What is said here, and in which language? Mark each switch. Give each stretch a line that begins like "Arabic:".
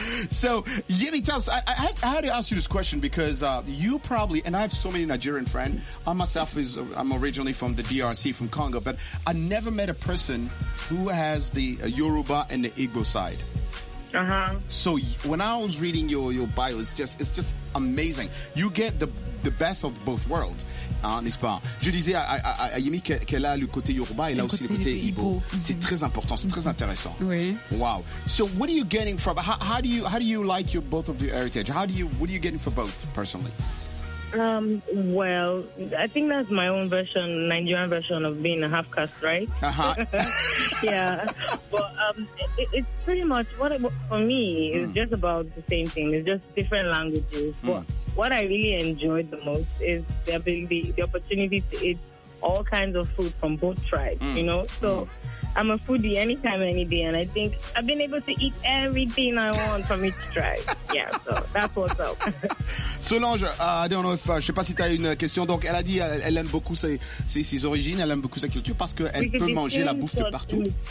English: So Yemi, tell us. I had to ask you this question because you probably, and I have so many Nigerian friends. I'm originally from the DRC, from Congo, but I never met a person who has the Yoruba and the Igbo side. So when I was reading your bio, it's just amazing. You get the best of both worlds,
French: n'est-ce pas? Je disais à Yemi qu'elle a le côté Yoruba et là aussi le côté Igbo. C'est très important, c'est très intéressant. Oui.
English: Wow. So what are you getting from? How do you like your both of your heritage? What are you getting for both personally? Well, I think that's my own version, Nigerian version of being a half caste, right? Yeah. But it's pretty much what for me is just about the same thing. It's just different languages. But what I really enjoyed the most is the ability, the opportunity to eat all kinds of food from both tribes. Mm. I'm a foodie anytime, any day, and I think I've been able to eat everything I want from each tribe. Yeah, so that's what's up.
French: Solange, je sais pas si tu as une question. Donc, elle a dit qu'elle aime beaucoup ses origines, elle aime beaucoup sa culture parce qu'elle peut manger la bouffe de partout.